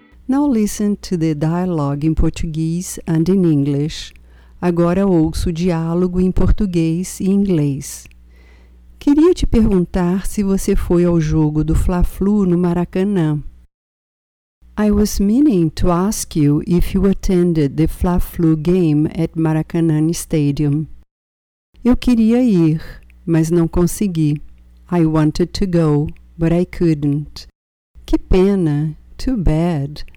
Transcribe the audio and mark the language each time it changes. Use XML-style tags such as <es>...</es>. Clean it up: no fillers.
<en>Now listen to the dialogue in Portuguese and in English.</en> <pt>Agora ouço o diálogo em português e inglês. Queria te perguntar se você foi ao jogo do Fla-Flu no Maracanã.</pt> <en>I was meaning to ask you if you attended the Fla-Flu game at Maracanã Stadium.</en> <pt>Eu queria ir, mas não consegui.</pt> <en>I wanted to go, but I couldn't.</en> <pt>Que pena.</pt> <en>Too bad.</en>